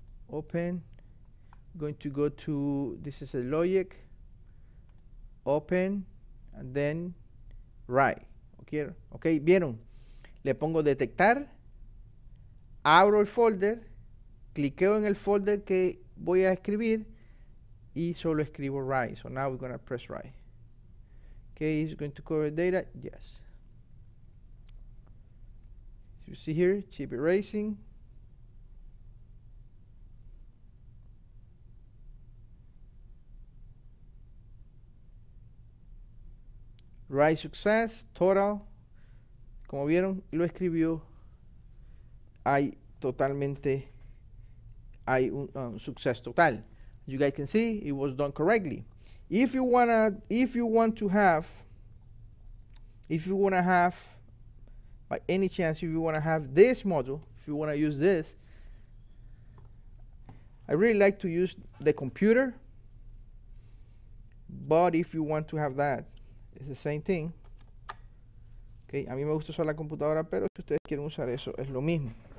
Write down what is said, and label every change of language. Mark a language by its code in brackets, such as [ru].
[en] Open, going to go to, this is a logic, open, and then write, okay? [es] Okay, vieron? Le pongo detectar, abro el folder, cliqueo en el folder que voy a escribir, y solo escribo write. [en] So now we're going to press write. Okay, it's going to cover data. Yes. So you see here, chip erasing. [es] Write success, total. Como vieron, lo escribió. Hay totalmente, hay un success total. [en] You guys can see it was done correctly. If you wanna, if you wanna have this module, if you wanna use this, I really like to use the computer. But if you want to have that, it's the same thing. [es] Okay, a mí me gusta usar la computadora, pero si ustedes quieren usar eso, es lo mismo.